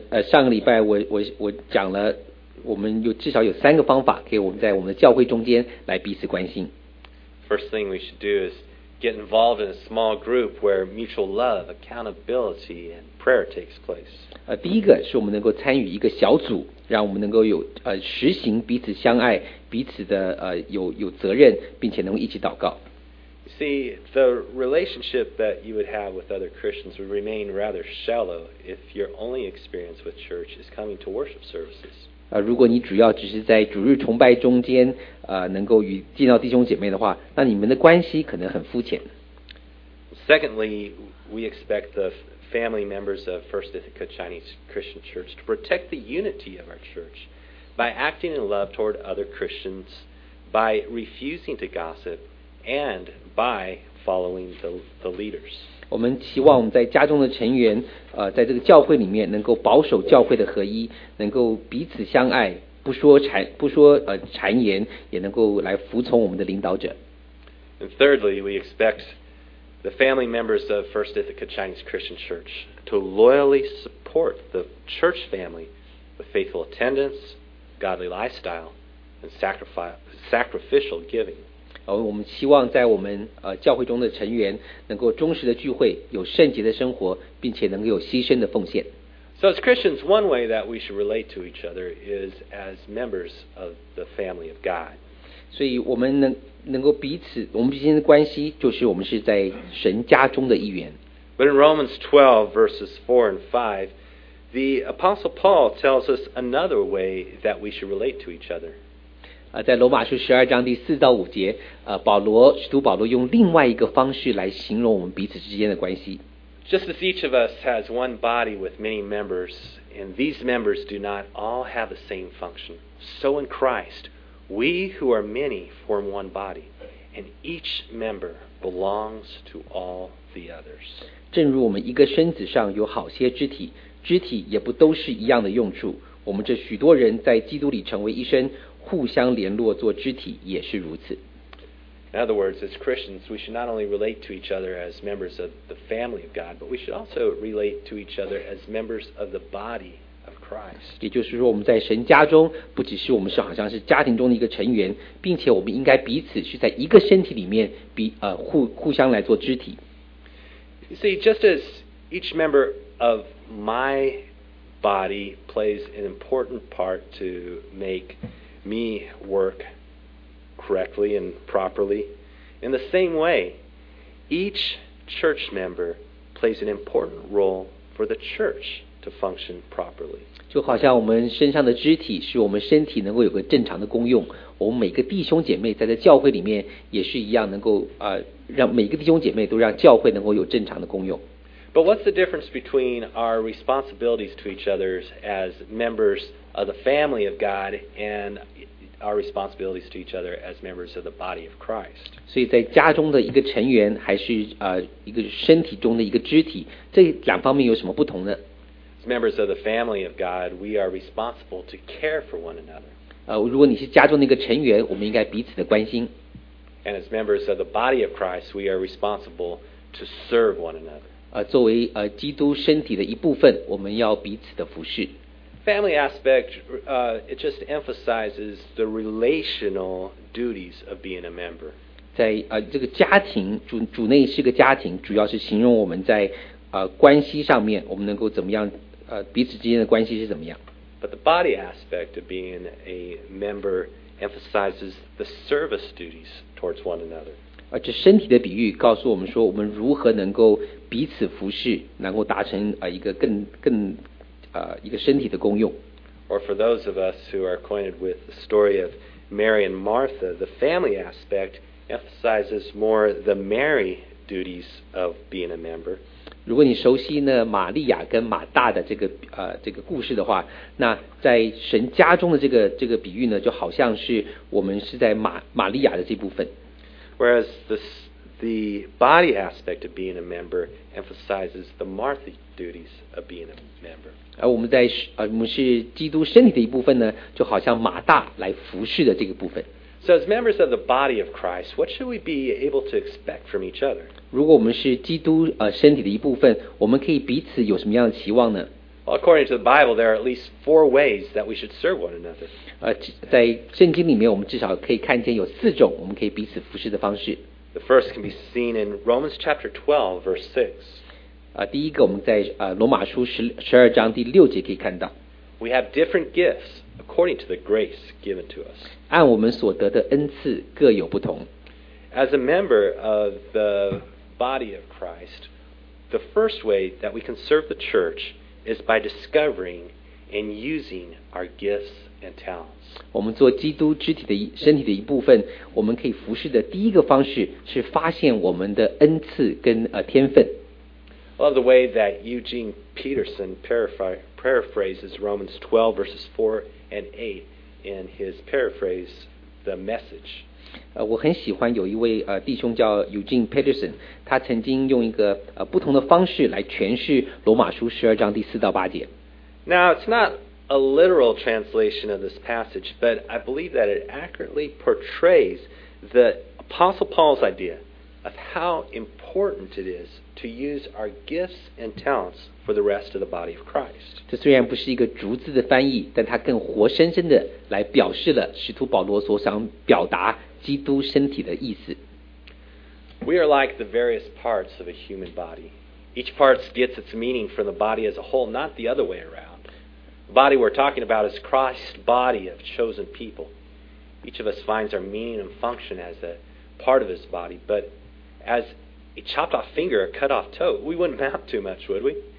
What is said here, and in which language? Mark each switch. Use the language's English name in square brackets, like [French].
[Chinese] 上个礼拜我讲了，我们有至少有三个方法可以我们在我们的教会中间来彼此关心。 [English] First thing we should do is get involved in a small group where mutual love, accountability, and prayer takes place. [Chinese] 第一个是我们能够参与一个小组，让我们能够有实行彼此相爱，彼此的有责任，并且能够一起祷告。 [English] See, the relationship that you would have with other Christians would remain rather shallow if your only experience with church is coming to worship services. [Chinese] 如果你主要只是在主日崇拜中间能够见到弟兄姐妹的话，那你们的关系可能很肤浅。 [English] Secondly, we expect the family members of First Ithaca Chinese Christian Church to protect the unity of our church by acting in love toward other Christians, by refusing to gossip, and by following the leaders. [Chinese] 我们期望我们在家中的成员在这个教会里面能够保守教会的合一，能够彼此相爱，不说谗言，也能够来服从我们的领导者。 [English] And thirdly, we expect the family members of First Ithaca Chinese Christian Church to loyally support the church family with faithful attendance, godly lifestyle, and sacrificial giving. [Chinese] 我们希望在我们教会中的成员能够忠实的聚会，有圣洁的生活，并且能够有牺牲的奉献。 [English] So as Christians, one way that we should relate to each other is as members of the family of God. [Chinese] 所以我们能够彼此，我们之间的关系就是我们是在神家中的一员。 [English] But in Romans 12 verses 4 and 5, the Apostle Paul tells us another way that we should relate to each other. [Chinese] 在罗马书十二章第四到五节，使徒保罗用另外一个方式来形容我们彼此之间的关系。 [English] Just as each of us has one body with many members, and these members do not all have the same function, so in Christ, we who are many form one body, and each member belongs to all the others. [Chinese] 正如我们一个身子上有好些肢体，肢体也不都是一样的用处。我们这许多人在基督里成为一身，互相联络做肢体也是如此。 [English] In other words, as Christians, we should not only relate to each other as members of the family of God, but we should also relate to each other as members of the body of Christ. [Chinese] 也就是说，我们在神家中，不只是我们是好像是家庭中的一个成员，并且我们应该彼此是在一个身体里面，互相来做肢体。 [English] You see, just as each member of my body plays an important part to make me work correctly and properly. In the same way, each church member plays an important role for the church to function properly. [Chinese] 就好像我们身上的肢体使我们身体能够有个正常的功用，我们每个弟兄姐妹在教会里面也是一样，能够让每个弟兄姐妹都让教会能够有正常的功用。 [English] But what's the difference between our responsibilities to each other as members of the family of God and our responsibilities to each other as members of the body of Christ. [Chinese] 所以在家中的一个成员还是一个身体中的一个肢体，这两方面有什么不同呢？ [English] As members of the family of God, we are responsible to care for one another. [Chinese] 如果你是家中的一个成员，我们应该彼此的关心。 [English] And as members of the body of Christ, we are responsible to serve one another. [Chinese] 作为基督身体的一部分，我们要彼此的服侍。 [English] Family aspect, it just emphasizes the relational duties of being a member. [Chinese] 在这个家庭主内是个家庭，主要是形容我们在关系上面，我们能够怎么样彼此之间的关系是怎么样。 [English] But the body aspect of being a member emphasizes the service duties towards one another. [Chinese] 这身体的比喻告诉我们说，我们如何能够彼此服侍，能够达成一个更。一个身体的功用。 [English] Or for those of us who are acquainted with the story of Mary and Martha, the family aspect emphasizes more the Mary duties of being a member. [Chinese] 如果你熟悉呢玛利亚跟马大的这个故事的话，那在神家中的这个比喻呢，就好像是我们是在玛利亚的这部分。 [English] Whereas the body aspect of being a member emphasizes the Martha duties of being a member. [Chinese] 而我们是基督身体的一部分呢，就好像马大来服侍的这个部分。 [English] So as members of the body of Christ, what should we be able to expect from each other? [Chinese] 如果我们是基督身体的一部分，我们可以彼此有什么样的期望呢？ [English] Well, according to the Bible, there are at least four ways that we should serve one another. [Chinese] 在圣经里面，我们至少可以看见有四种我们可以彼此服侍的方式。 [English] The first can be seen in Romans chapter 12, verse 6. [Chinese] 第一个我们在罗马书12章第六节可以看到。 [English] We have different gifts according to the grace given to us. [Chinese] 按我们所得的恩赐各有不同。 [English] As a member of the body of Christ, the first way that we can serve the church is by discovering and using our gifts and talents. [Chinese] 我们做基督身体的一部分，我们可以服侍的第一个方式是发现我们的恩赐跟天分。 [English] I love the way that Eugene Peterson paraphrases Romans 12 verses 4 and 8 in his paraphrase, The Message. [Chinese] 我很喜欢有一位弟兄叫 Eugene Peterson, 他曾经用一个不同的方式来诠释罗马书十二章第四到八节。 [English] Now, it's not a literal translation of this passage, but I believe that it accurately portrays the Apostle Paul's idea of how important it is to use our gifts and talents for the rest of the body of Christ. [Chinese] 这虽然不是一个逐字的翻译，但它更活生生的来表示了使徒保罗所想表达基督身体的意思。 [English] We are like the various parts of a human body. Each part gets its meaning from the body as a whole, not the other way around. The body we're talking about is Christ's body of chosen people. Each of us finds our meaning and function as a part of his body, but as a chopped off finger or cut off toe, we wouldn't amount too much, would we?